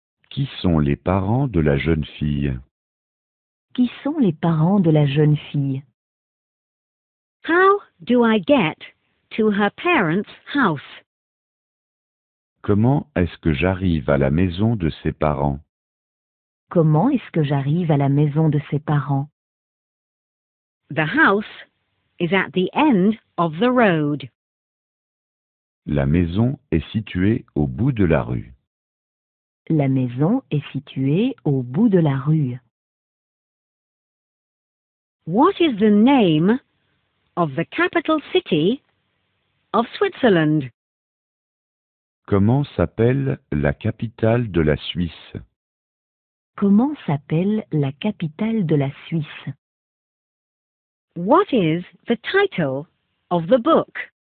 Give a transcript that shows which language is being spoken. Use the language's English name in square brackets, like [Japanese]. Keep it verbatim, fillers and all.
[French] qui sont les parents de la jeune fille, Qui sont les parents de la jeune fille? [English] How do I get to her parents' house? [French] comment est-ce que j'arrive à la maison de ses parents, Comment est-ce que j'arrive à la maison de ses parents? [English] The house is at the end of the road. [French] la maison est située au bout de la rue, La maison est située au bout de la rue. [English] What is the name of the capital city of Switzerland? [French] comment s'appelle la capitale de la Suisse, Comment s'appelle la capitale de la Suisse? [English] What is the title of the book?